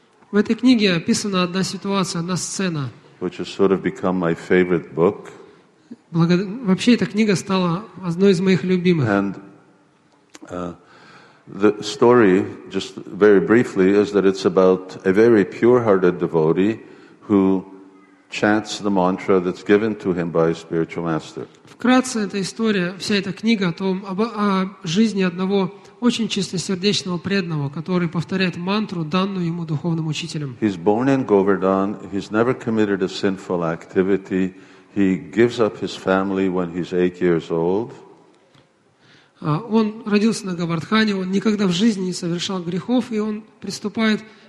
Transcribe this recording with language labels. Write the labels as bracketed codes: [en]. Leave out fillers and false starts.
[ru] В этой книге описана одна ситуация, одна сцена. [en] Which has sort of become my favorite book. [ru] Вообще эта книга стала одной из моих любимых. [en] And the story, just very briefly, is that it's about a very pure-hearted devotee who chants the mantra that's given to him by his spiritual master. [ru] Вкратце, эта история, вся эта книга о жизни одного очень чистосердечного преданного, который повторяет мантру, данную ему духовным учителем. [en] He's born in Govardhan. He's never committed a sinful activity. He gives up his family when he's 8 years old. [ru] Он родился на Говардхане, он никогда в жизни не совершал грехов, и он приступает...